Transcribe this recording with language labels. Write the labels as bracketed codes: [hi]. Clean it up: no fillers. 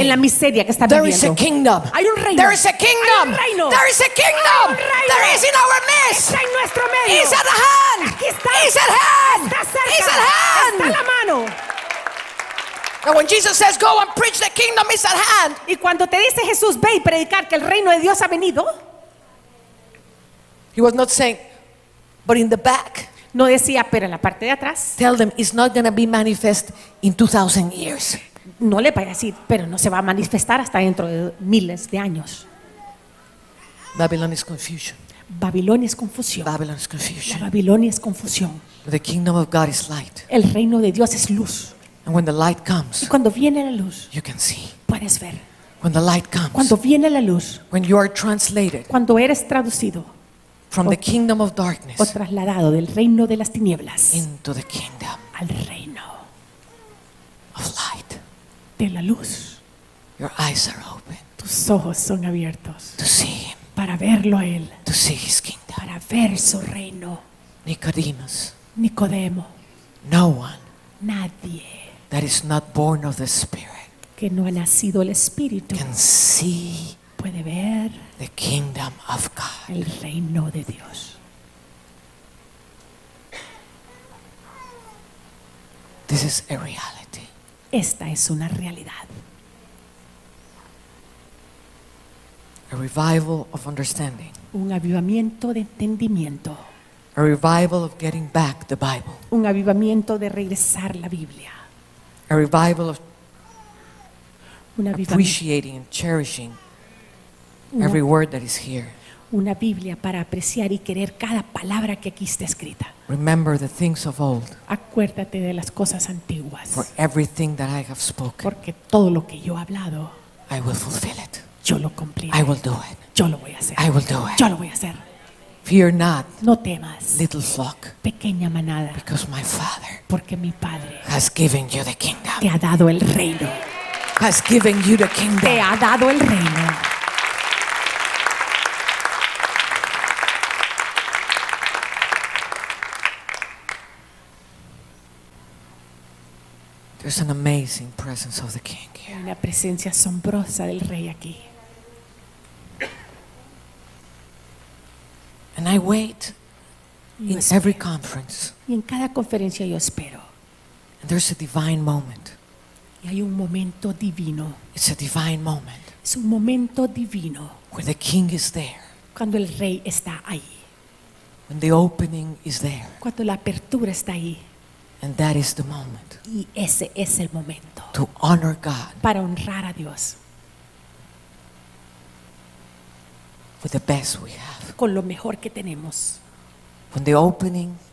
[es] En la miseria que estás [en] there [es] viviendo. [en] There is a kingdom. [es] Hay un reino. [en] There is a kingdom. [es] Hay un reino. [en] There is a kingdom. [es] Hay un reino. [en] There is in our midst. [es] Está en nuestro medio. [en] Is at hand. [es] Aquí está. [en] Is at hand. [es] Está cerca. [en] Is at hand. [es] Está a la mano. [en] And when Jesus says, "Go and preach the kingdom is at hand." [es] Y cuando te dice Jesús, ve y predicar que el reino de Dios ha venido. [en] He was not saying, but in the back. [es] No decía, pero en la parte de atrás. [en] Tell them it's not going to be manifest in 2,000 years. [es] No le vaya a decir, pero no se va a manifestar hasta dentro de miles de años. [en] Babylon is confusion. [es] Babilonia es confusión. [en] Babylon is confusion. [es] La Babilonia es confusión. [en] The kingdom of God is light. [es] El reino de Dios es luz. [en] And when the light comes, [es] y cuando viene la luz, [en] you can see. [es] Puedes ver. [en] When the light comes, [es] cuando viene la luz, [en] when you are translated, [es] cuando eres traducido, [en] from the kingdom of darkness, [es] o trasladado del reino de las tinieblas, [en] into the kingdom, [es] al reino [en] of light, [es] de la luz, [en] your eyes are open, [es] tus ojos son abiertos, [en] to see him, [es] para verlo a él, [en] to see his kingdom, [es] para ver su reino, [en] Nicodemus, [es] Nicodemo, [en] no one. [es] Nadie [en] that is not born of the Spirit [es] que no ha nacido el Espíritu [en] can see [es] puede ver [en] the kingdom of God [es] el reino de Dios. [en] This is a reality. [es] Esta es una realidad. [en] A revival of understanding. [es] Un avivamiento de entendimiento. [en] A revival of getting back the Bible. [es] Un avivamiento de regresar la Biblia. [en] A revival of [es] una [en] appreciating and cherishing una, every word that is here. [es] Una Biblia para apreciar y querer cada palabra que aquí está escrita. [en] Remember the things of old. [es] Acuérdate de las cosas antiguas. [en] For everything that I have spoken. [es] Porque todo lo que yo he hablado. [en] I will fulfill it. [es] Yo lo cumpliré. [en] I will do it. [es] Yo lo voy a hacer. [en] I will do it. [es] Yo lo voy a hacer. [en] Fear not, [es] no temas, [en] little flock, [es] pequeña manada, [en] because my Father, [es] porque mi Padre, [en] has given you the kingdom, [es] te ha dado el reino, [en] has given you the kingdom, [es] te ha dado el reino. [en] There's an amazing presence of the King here. [es] Una presencia asombrosa del Rey aquí. [en] And I wait in every conference. [es] Y en cada conferencia yo espero. [en] And there's a divine moment. [es] Y hay un momento divino. [en] It's a divine moment. [es] Es un momento divino. [en] Where the King is there. [es] Cuando el Rey está ahí. [en] When the opening is there. [es] Cuando la apertura está ahí. [en] And that is the moment. [es] Y ese es el momento. [en] To honor God. [es] Para honrar a Dios. [en] with the best we have. [es] Con lo mejor que tenemos. [en] When the opening,